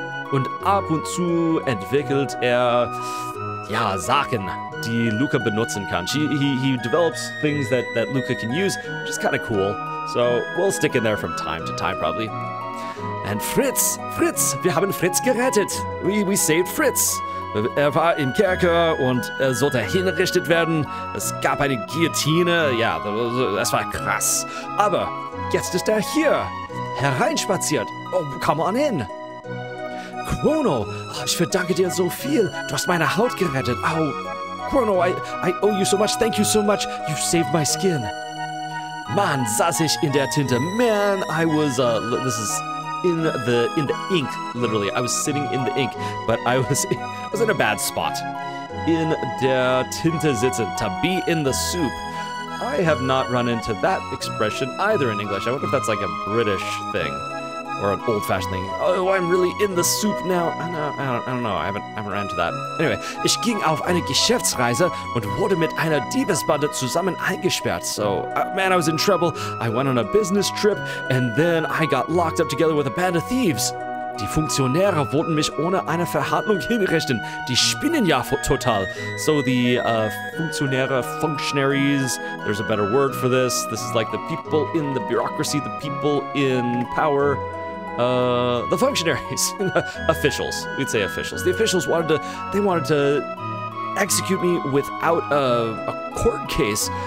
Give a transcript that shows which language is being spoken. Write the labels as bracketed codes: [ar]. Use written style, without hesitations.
[de] Und ab und zu entwickelt er, ja, Sachen, die Luca benutzen kann. [en] He develops things that Luca can use, which is kind of cool. So we'll stick in there from time to time, probably. [de] And Fritz, wir haben Fritz gerettet. [en] We saved Fritz. [de] Er war im Kerker und er sollte hingerichtet werden. Es gab eine Guillotine. Ja, das war krass. Aber jetzt ist er hier. Hereinspaziert. [en] Oh, come on in. [de] Chrono, ich verdanke dir so viel. Du hast meine Haut gerettet. [en] Oh, Chrono, I owe you so much. Thank you so much. You've saved my skin. [de] Mann, saß ich in der Tinte. [en] Man, I was, this is... In the ink, literally. I was sitting in the ink, but I was in a bad spot. [de] In der Tinte sitzen, [en] to be in the soup. I have not run into that expression either in English. I wonder if that's like a British thing or an old-fashioned thing. Oh, I'm really in the soup now. I don't know. I haven't run into that. [de] Anyway, ich ging auf eine Geschäftsreise und wurde mit einer Diebesbande zusammen eingesperrt. [en] So, man, I was in trouble. I went on a business trip, and then I got locked up together with a band of thieves. [de] Die Funktionäre wollten mich ohne eine Verhandlung hinrichten. Die spinnen ja total. [en] So the functionaries, there's a better word for this. This is like the people in the bureaucracy, the people in power. The functionaries, officials, we'd say officials. The officials wanted to execute me without a court case.